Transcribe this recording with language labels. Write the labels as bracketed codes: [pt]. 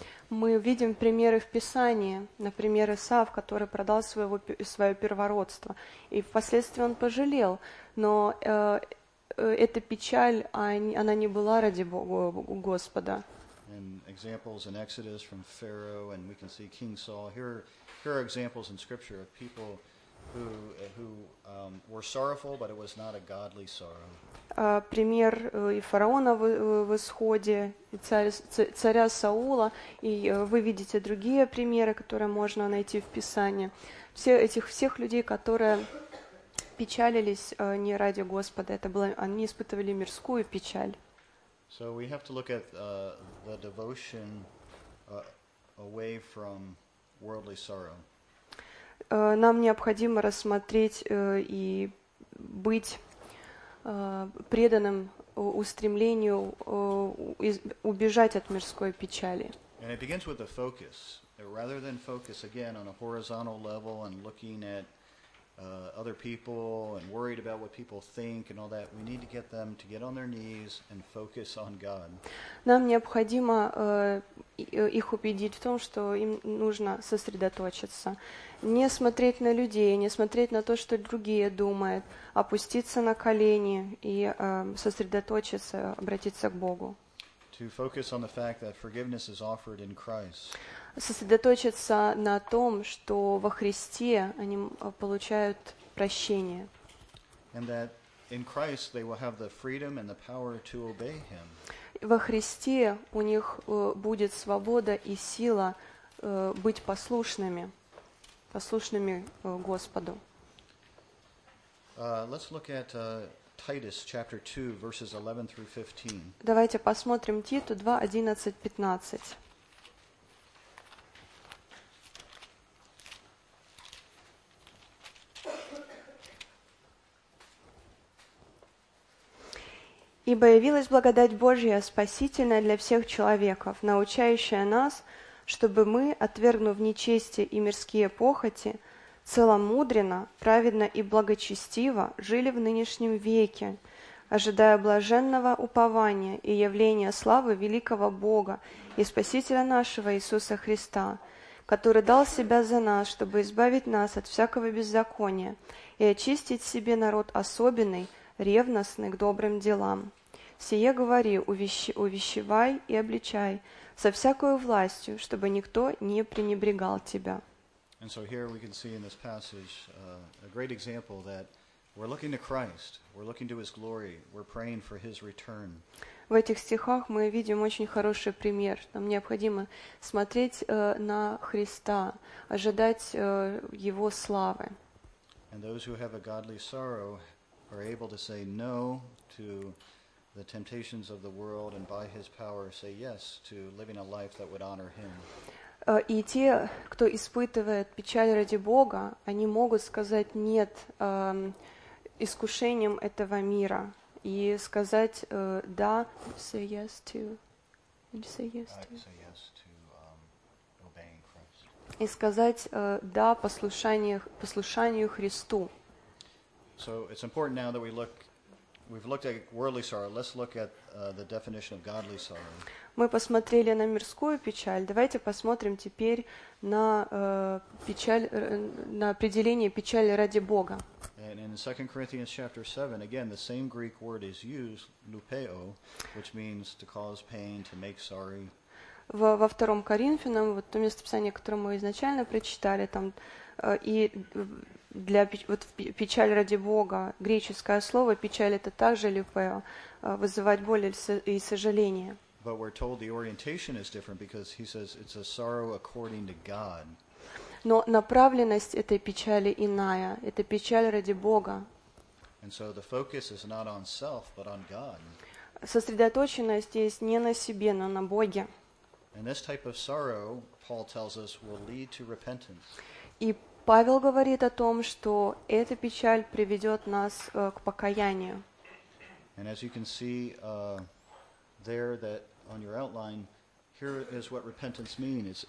[ru] Мы видим примеры в Писании, например, Исав, который продал свое первородство, и впоследствии он пожалел, но эта печаль, она не была ради Господа. [en] And examples in Exodus from Pharaoh, and we can see King Saul. Here are examples in Scripture of people who were sorrowful, but it was not a godly sorrow. [ru] Пример и фараона в Исходе, и царя Саула, и вы видите другие примеры, которые можно найти в Писании. Все этих всех людей, которые печалились не ради Господа, это было, они испытывали мирскую печаль. [en] So we have to look at the devotion away from worldly sorrow. [ru] Нам необходимо рассмотреть и быть преданным устремлению убежать от мирской печали. [en] And it begins with a focus. Rather than focus again on a horizontal level and looking at other people and worried about what people think and all that, we need to get them to get on their knees and focus on God. [ru] Нам необходимо их убедить в том, что им нужно сосредоточиться. Не смотреть на людей, не смотреть на то, что другие думают, опуститься на колени и сосредоточиться, обратиться к Богу. [en] To focus on the fact that forgiveness is offered in Christ. [ru] Сосредоточиться на том, что во Христе они получают прощение. [en] And that in Christ they will have the freedom and the power to obey Him. [ru] Во Христе у них будет свобода и сила быть послушными, послушными Господу. [en] Let's look at Titus chapter 2 verses 11 through 15. [ru] Давайте посмотрим Титу 2, 11, 15. «Ибо явилась благодать Божья, спасительная для всех человеков, научающая нас, чтобы мы, отвергнув нечестие и мирские похоти, целомудренно, праведно и благочестиво жили в нынешнем веке, ожидая блаженного упования и явления славы великого Бога и Спасителя нашего Иисуса Христа, который дал Себя за нас, чтобы избавить нас от всякого беззакония и очистить Себе народ особенный, ревностный к добрым делам. Сие говори, увещевай и обличай со всякою властью, чтобы никто не пренебрегал тебя». [en] And so here we can see in this passage a great example that we're looking to Christ, we're looking to His glory, we're praying for His return. [ru] В этих стихах мы видим очень хороший пример. Нам необходимо смотреть на Христа, ожидать Его славы. [en] And those who have a godly sorrow are able to say no to the temptations of the world and by His power say yes to living a life that would honor Him. [ru] И те, кто испытывает печаль ради Бога, они могут сказать нет искушениям этого мира и сказать да, [en] say yes to, and say yes to. Say yes to obeying Christ. [ru] И сказать да послушанию Христу. [en] So it's important now that we've looked at worldly sorrow. Let's look at the definition of godly sorrow. [ru] Мы посмотрели на мирскую печаль. Давайте посмотрим теперь на печаль, на определение печали ради Бога. [en] And in 2 Corinthians chapter 7, again, the same Greek word is used, lupeo, which means to cause pain, to make sorry. [ru] Во втором Коринфянам, вот то местописание, которое мы изначально прочитали, там и для вот печаль ради Бога, греческое слово печаль это также люпео, вызывать боль и сожаление. [en] But we're told the orientation is different because he says it's a sorrow according to God. [ru] Но направленность этой печали иная, это печаль ради Бога. [en] And so the focus is not on self, but on God. [ru] Сосредоточенность есть не на себе, но на Боге. [en] And this type of sorrow, Paul tells us, will lead to repentance. [ru] И Павел говорит о том, что эта печаль приведет нас к покаянию. [en] And as you can see there that on your outline, here is what repentance means.